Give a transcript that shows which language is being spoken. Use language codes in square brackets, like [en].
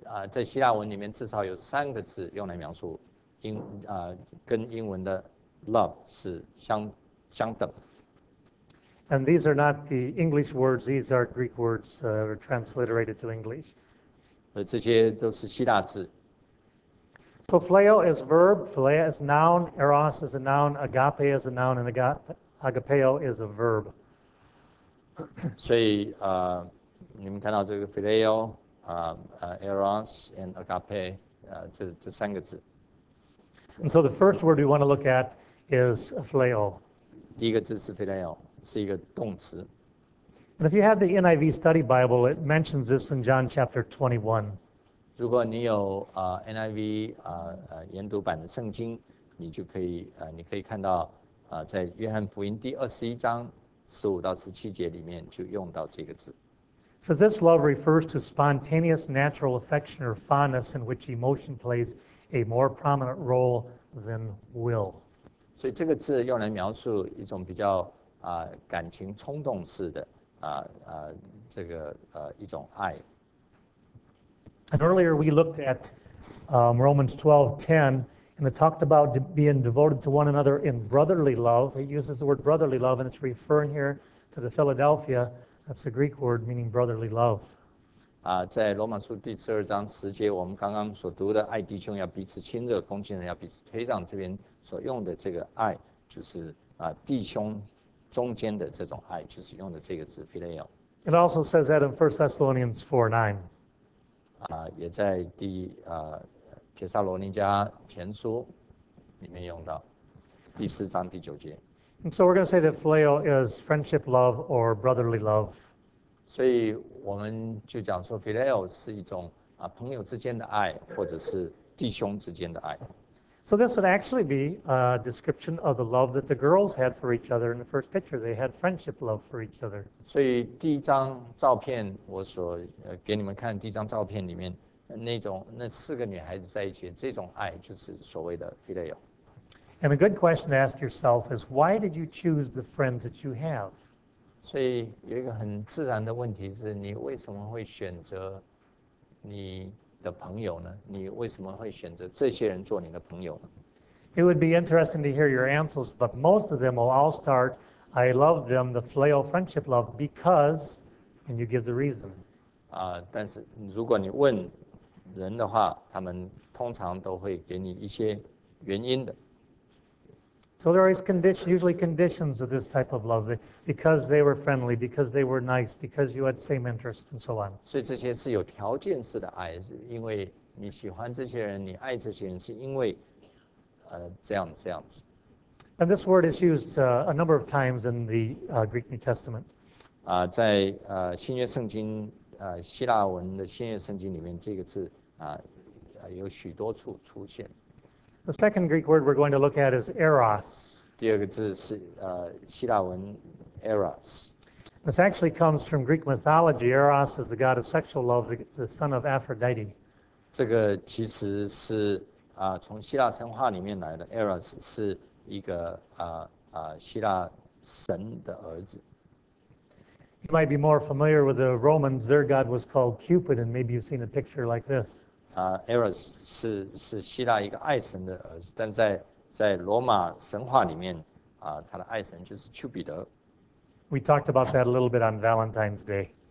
[zh] 在希腊文里面至少有三个字用来描述跟英文的love 是相等。 [en] And these are not the English words, these are Greek words transliterated to English. [zh] 这些都是希腊字。 [en] So phileo is verb, phileia is noun, eros is a noun, agape is a noun, and agapeo is a verb. [zh] 所以你们看到这个 phileo, eros, and agape, 这三个字。 [en] And so the first word we want to look at is phileo. [zh] 第一个字是 phileo, 是一个动词。 [en] And if you have the NIV study Bible, it mentions this in John chapter 21. [zh] 如果你有NIV 研读版的圣经，你就可以你可以看到在约翰福音第21章15到17节里面就用到这个字。 [en] So this love refers to spontaneous natural affection or fondness in which emotion plays a more prominent role than will. [zh] 所以这个字用来描述一种比较感情冲动式的这个一种爱。 [en] And earlier we looked at Romans 12:10, and it talked about being devoted to one another in brotherly love. It uses the word brotherly love, and it's referring here to the Philadelphia. That's a Greek word meaning brotherly love. [zh] 在罗马书第十二章十节，我们刚刚所读的“爱弟兄要彼此亲热，公亲人要彼此推让”，这边所用的这个“爱”就是弟兄中间的这种爱，就是用的这个字 “phileo”。 [en] It also says that in 1 Thessalonians 4:9. [zh] 也在第帖撒罗尼迦前书里面用到第四章第九节。 [en] And so we're going to say that phileo is friendship love or brotherly love. [zh] 所以我们就讲说 phileo 是一种朋友之间的爱，或者是弟兄之间的爱。 [en] So this would actually be a description of the love that the girls had for each other in the first picture. They had friendship love for each other. [zh] 所以第一张照片，我所给你们看第一张照片里面，那四个女孩子在一起，这种爱就是所谓的 phileo. [en] And a good question to ask yourself is, why did you choose the friends that you have? [zh] 所以有一个很自然的问题是，你为什么会选择你的朋友呢？你为什么会选择这些人做你的朋友呢？ [en] It would be interesting to hear your answers, but most of them will all start, I love them, the phileo friendship love, because, and you give the reason. [zh] 但是如果你问人的话，他们通常都会给你一些原因的。 [en] So there are usually conditions of this type of love, because they were friendly, because they were nice, because you had same interests, and so on. [zh] 所以这些是有条件式的爱，因为你喜欢这些人，你爱这些人，是因为这样子。 [en] And this word is used a number of times in the Greek New Testament. [zh] 在新约圣经，希腊文的新约圣经里面，这个字有许多处出现。 [en] The second Greek word we're going to look at is eros. [zh] 第二个字是希腊文 eros. [en] This actually comes from Greek mythology. Eros is the god of sexual love, the son of Aphrodite. [zh] 这个其实是从希腊神话里面来的。 Eros 是一个希腊神的儿子。 [en] You might be more familiar with the Romans. Their god was called Cupid, and maybe you've seen a picture like this. [zh] Eros 是希腊一个爱神的儿子，但在罗马神话里面，他的爱神就是丘比德。 [en] We talked about that a little bit on Valentine's Day.